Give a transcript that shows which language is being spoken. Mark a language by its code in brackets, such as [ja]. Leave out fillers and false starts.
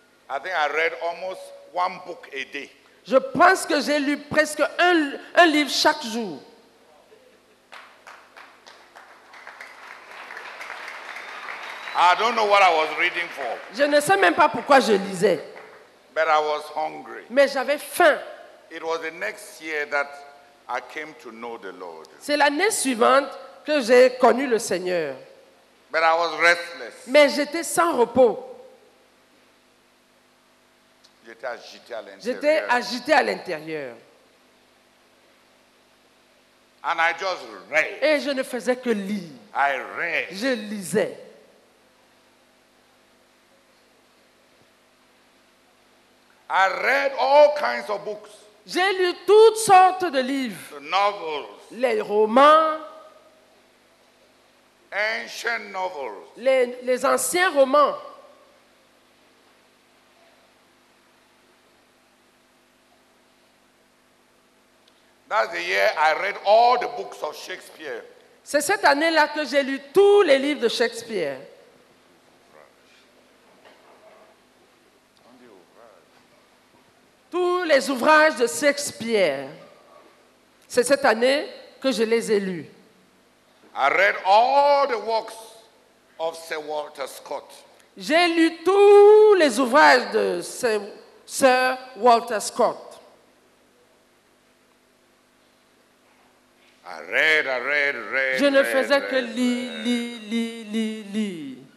[en] I think I read almost one book a day. [fr] Je pense que j'ai lu presque un livre chaque jour. [en] I don't know what I was reading for. [fr] Je ne sais même pas pourquoi je lisais. [en] But I was hungry. [fr] Mais j'avais faim. [en] It was the next year that I came to know the Lord. [fr] C'est l'année suivante que j'ai connu le Seigneur. [en] But I was restless. [fr] Mais j'étais sans repos. J'étais agité à l'intérieur. [en] And I just read. [fr] Et je ne faisais que lire. [en] I read. [fr] Je lisais. [en] I read all kinds of books. [fr] J'ai lu toutes sortes de livres. [en] The novels. [fr] Les romans. [en] Ancient novels. [fr] Les anciens romans. [en] That's the year I read all the books of Shakespeare. [fr] C'est cette année-là que j'ai lu tous les livres de Shakespeare. Tous les ouvrages de Shakespeare. C'est cette année que je les ai lus. [en] I read all the works of Sir Walter Scott. [fr] J'ai lu tous les ouvrages de Sir Walter Scott. [en] I read. [fr] Je ne faisais que lire.